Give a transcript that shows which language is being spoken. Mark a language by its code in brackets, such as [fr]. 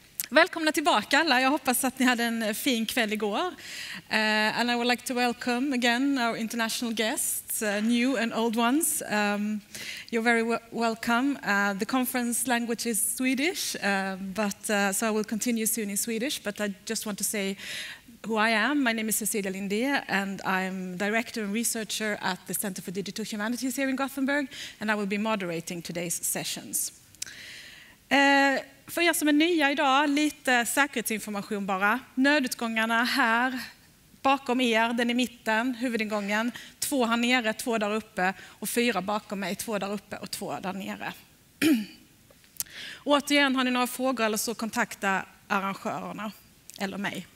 [sv] Välkomna tillbaka alla. Jag hoppas att ni hade en fin kväll igår. [en] And I would like to welcome again our international guests, new and old ones. You're very welcome. The conference language is Swedish, so I will continue soon in Swedish, but I just want to say who I am. My name is Cecilia Lindhé and I'm director and researcher at the Center for Digital Humanities here in Gothenburg, and I will be moderating today's sessions. [sv] För er som är nya idag, lite säkerhetsinformation bara. Nödutgångarna här bakom er, den i mitten, huvudingången. Två här nere, två där uppe och fyra bakom mig, två där uppe och två där nere. Återigen, har ni några frågor eller så, kontakta arrangörerna eller mig.